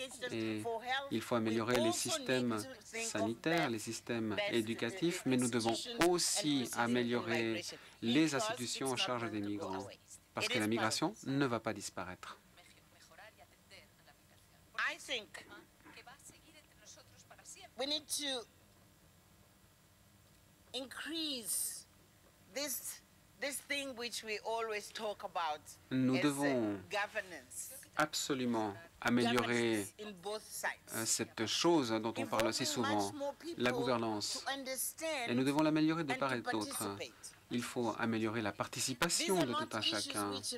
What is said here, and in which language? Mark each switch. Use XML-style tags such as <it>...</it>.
<fr>Et il faut améliorer les systèmes sanitaires, les systèmes éducatifs, mais nous devons aussi améliorer les institutions en charge des migrants, parce que la migration ne va pas disparaître.</fr> <en>We need to increase this thing which we always talk about.</en> <fr>Nous devons absolument améliorer cette chose dont on parle si souvent, la gouvernance. Et nous devons l'améliorer de part et d'autre. Il faut améliorer la participation de tout un chacun.</fr>